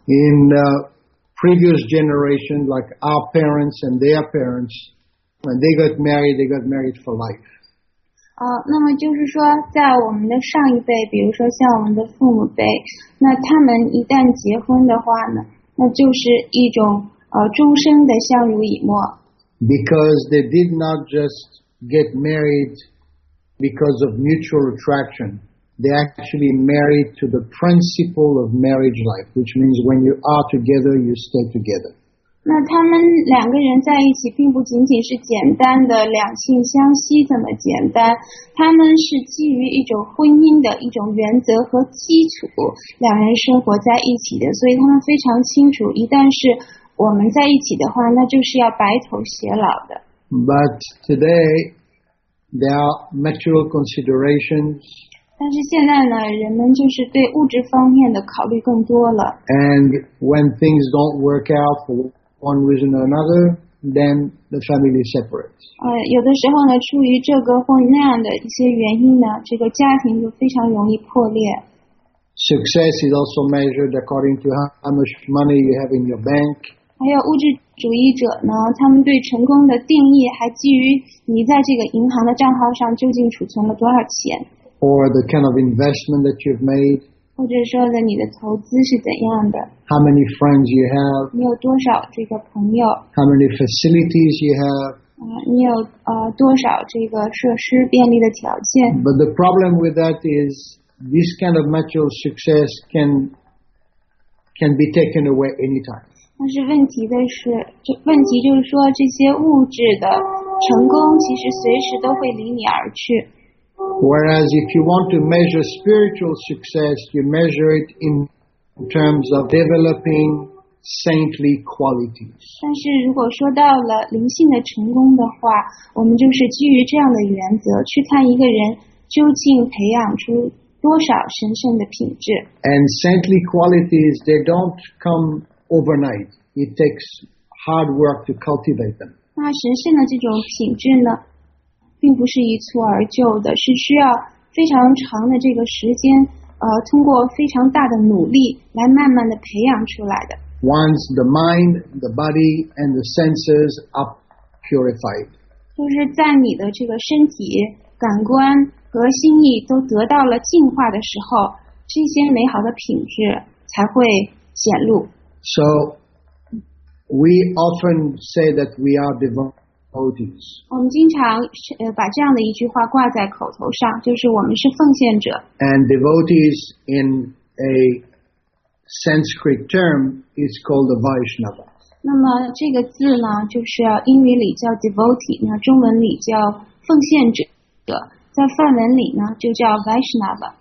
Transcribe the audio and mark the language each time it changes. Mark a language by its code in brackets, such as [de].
[en] In the previous generation, like our parents and their parents, when they got married for life. [zh] 那么就是说在我们的上一辈，比如说像我们的父母辈，那他们一旦结婚的话呢，那就是一种终身的相濡以沫。 [en] Because they did not just get married because of mutual attraction. They actually married to the principle of marriage life, which means when you are together, you stay together. [zh] 那他们两个人在一起并不仅仅是简单的两性相吸这么简单，他们是基于一种婚姻的一种原则和基础两人生活在一起的，所以他们非常清楚一旦是我们在一起的话，那就是要白头偕老的。 [en] But today there are material considerations. [zh] 但是现在呢，人们就是对物质方面的考虑更多了。 [en] And when things don't work out forOne reason or another, then the family separates. [zh] 有的时候呢，出于这个或那样的一些原因呢，这个家庭就非常容易破裂。 [en] Success is also measured according to how much money you have in your bank. [zh] 还有物质主义者呢，他们对成功的定义还基于你在这个银行的账号上究竟储存了多少钱。 [en] Or the kind of investment that you've made. [zh] 或者说的你的投资是怎样的 [en] ？How many friends you have？ [zh] 你有多少这个朋友 [en] ？How many facilities you have？ [zh] 你有多少这个设施便利的条件 [en] ？But the problem with that is this kind of material success can be taken away anytime. [zh] 但是问题就是说这些物质的成功其实随时都会离你而去。 [en] Whereas if you want to measure spiritual success, you measure it in terms of developing saintly qualities. [zh] 但是如果说到了灵性的成功的话，我们就是基于这样的原则去看一个人究竟培养出多少神圣的品质。 [en] And saintly qualities, they don't come overnight. It takes hard work to cultivate them. [zh] 那神圣的这种品质呢？并不是一蹴而就的，是需要非常长的这个时间，通过非常大的努力来慢慢的培养出来的。 [en] Once the mind, the body, and the senses are purified, [zh] 就是在你的这个身体、感官和心意都得到了净化的时候，这些美好的品质才会显露。 [en] So We often say that we are devotees. [zh] 我们经常把这样的一句话挂在口头上，就是我们是奉献者。 [en] And devotees in a Sanskrit term is called a Vaishnava. [zh] 那么这个字呢，就是英语里叫 devotee， 那中文里叫奉献者。在梵文里呢，就叫 Vaishnava。